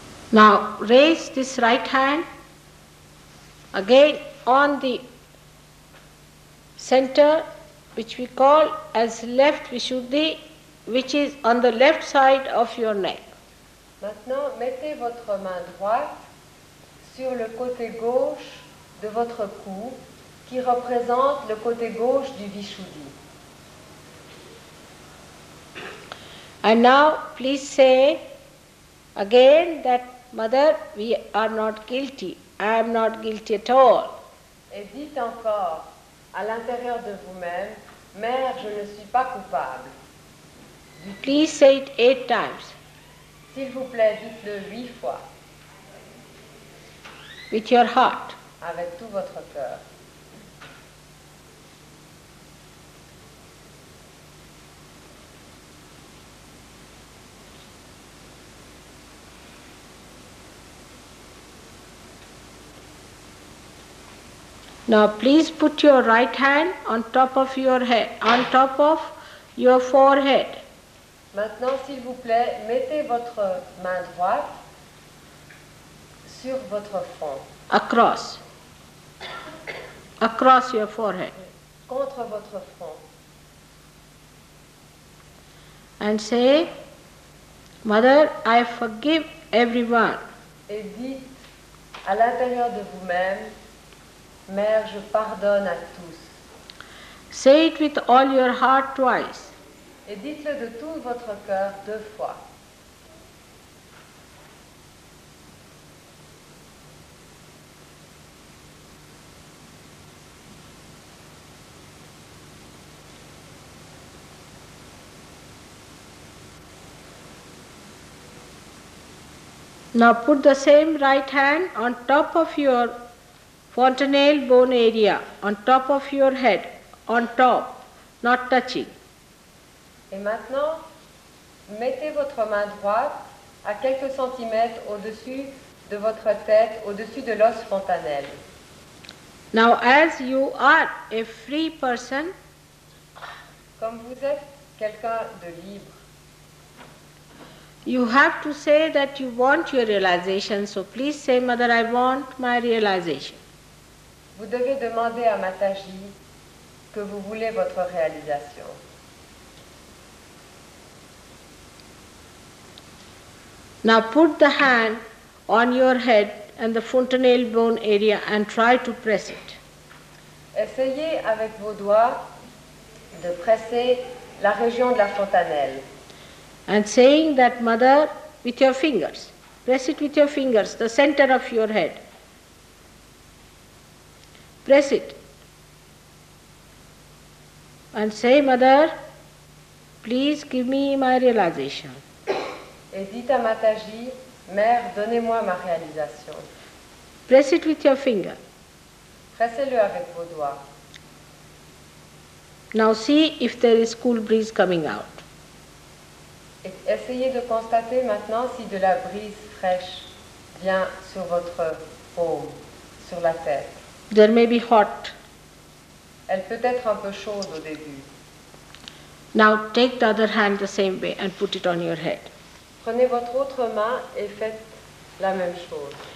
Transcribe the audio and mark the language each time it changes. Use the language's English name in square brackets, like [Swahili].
[English] Now raise this right hand again on the center, which we call as left Vishuddhi, which is on the left side of your neck. [French] Maintenant, mettez votre main droite sur le côté gauche de votre cou, qui représente le côté gauche du Vishuddhi. [English] And now, please say again that, Mother, we are not guilty. I am not guilty at all. [French] Et dites encore à l'intérieur de vous-même, Mère, je ne suis pas coupable. [English] Please say it 8 times. [French] S'il vous plaît, dites-le 8 fois. [English] With your heart. [French] Avec tout votre cœur. [English] Now please put your right hand on top of your head, on top of your forehead. [French] Maintenant, s'il vous plaît, mettez votre main droite sur votre front. [English] Across your forehead. [French] Contre votre front. [English] And say, Mother, I forgive everyone. [French] Et dites à l'intérieur de vous-même, Mère, je pardonne à tous. [English] Say it with all your heart twice. [French] Et dites-le de tout votre cœur deux fois. [English] Now put the same right hand on top of your fontanelle bone area, on top of your head, on top, not touching. [French] Et maintenant, mettez votre main droite à quelques centimètres au-dessus de votre tête, au-dessus de l'os fontanelle. [English] Now as you are a free person, [French] comme vous êtes quelqu'un de libre, [English] you have to say that you want your realization, so please say, Mother, I want my realization. [French] Vous devez demander à Mataji que vous voulez votre réalisation. [English] Now put the hand on your head and the fontanelle bone area and try to press it. [French] Essayez avec vos doigts de presser la région de la fontanelle. [English] And saying that, Mother, with your fingers, press it with your fingers, the center of your head. Press it. And say, Mother, please give me my realization. [French] Et dites à Mataji, Mère, donnez-moi ma réalisation. [English] Press it with your finger. [French] Pressez-le avec vos doigts. [English] Now see if there is cool breeze coming out. [French] Essayez de constater maintenant si de la brise fraîche vient sur votre paume, sur la tête. [English] There may be hot. [French] Elle peut être un peu chaude au début. [English] Now take the other hand the same way and put it on your head. [French] Prenez votre autre main et faites la même chose.